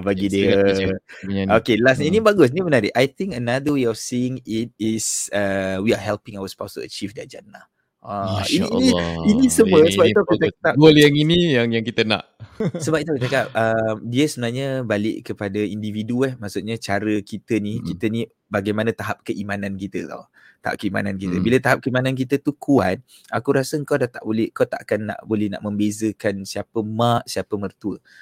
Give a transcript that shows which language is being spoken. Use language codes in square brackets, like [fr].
[ms] Bagi dia okay last ini bagus, ini menarik. [en] I think another way of seeing it is we are helping our spouse to achieve their jannah. [ms] Ini semua sebab itu aku cakap boleh yang ini yang kita nak. Sebab itu aku cakap dia sebenarnya balik kepada individu maksudnya cara kita ni, kita ni bagaimana tahap keimanan kita tau. Tahap keimanan kita. Bila tahap keimanan kita tu kuat, aku rasa kau takkan nak boleh nak membezakan siapa mak, siapa mertua.